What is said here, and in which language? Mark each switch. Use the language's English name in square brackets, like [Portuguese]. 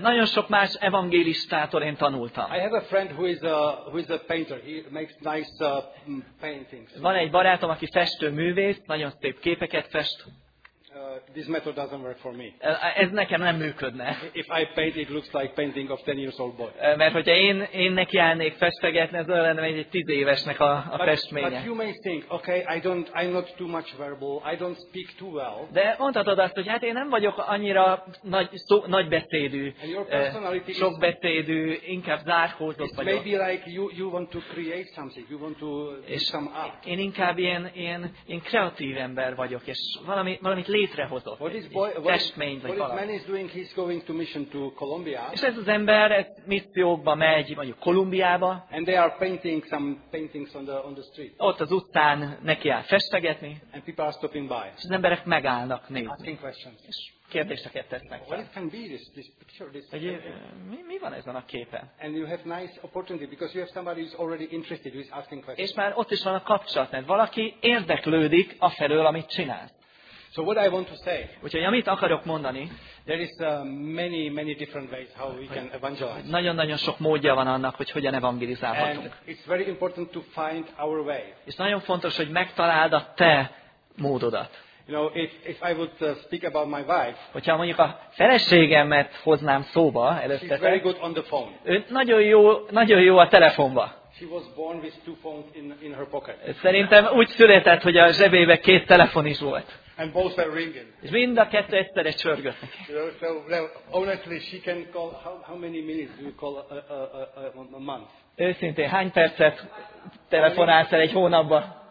[Hungarian] Nagyon sok más evangélistától én tanultam. [English] I have a friend who is a painter. He makes nice paintings. [Hungarian] Van egy barátom, aki festőművész, nagyon szép képeket fest. [English] This method doesn't work for me. [Hungarian] Ez nekem nem működne. [English] If I paint, it looks like painting of 10 years old boy. [Hungarian] Mert hogyha én neki állnék festegetni, ez olyan lenne, egy 10 évesnek a festménye. [English] But you may think, okay, I'm not too much verbal, I don't speak too well. [Hungarian] De mondhatod azt, hogy hát én nem vagyok annyira nagy beszédű, sok beszédű, inkább zárkózott vagyok. [English] Maybe like you want to create something, you want to do some art. [Hungarian] Én inkább ilyen kreatív ember vagyok, és valamit létrehozott. [English] What is boy, [Hungarian] egy testmény, [English] what [Hungarian] valami. [English] Man is doing, he's going to mission to Colombia. [Hungarian] És ez az ember missziókba megy, mondjuk Kolumbiába. [English] And they are painting some paintings on the street. [Hungarian] Ott az utcán neki áll festegetni. [English] And people are stopping by. [Hungarian] És az emberek megállnak nézni. [English] Asking questions. [Hungarian] És kérdéseket tesznek. [English] What can be this picture, this [Hungarian] egy, mi van ezen a képen? [English] And you have nice opportunity because you have somebody who is already interested, who is asking questions. [Hungarian] És már ott is van a kapcsolat, mert valaki érdeklődik afelől, amit csinálsz. [English] So what I want to say. [Hungarian] Úgyhogy amit akarok mondani. [English] There is many different ways how we can evangelize. [Hungarian] Nagyon-nagyon sok módja van annak, hogy hogyan evangelizálhatunk. [English] And it's very important to find our way. [Hungarian] És nagyon fontos, hogy megtaláld a te módodat. [English] You know, if I would speak about my wife. [Hungarian] Hogyha mondjuk a feleségemet hoznám szóba előtte. [English] She's very good on the phone. [Hungarian] Ő nagyon jó a telefonba. [English] She was born with 2 phones in her pocket. [Hungarian] Szerintem úgy született, hogy a zsebébe 2 telefon is volt. [English] And both are ringing. [Hungarian] És mind a kettő egyszerre csörgött. [English] So honestly, she can call. How many minutes do you call a month? [Hungarian] Őszintén, hány percet telefonálsz el egy hónapban?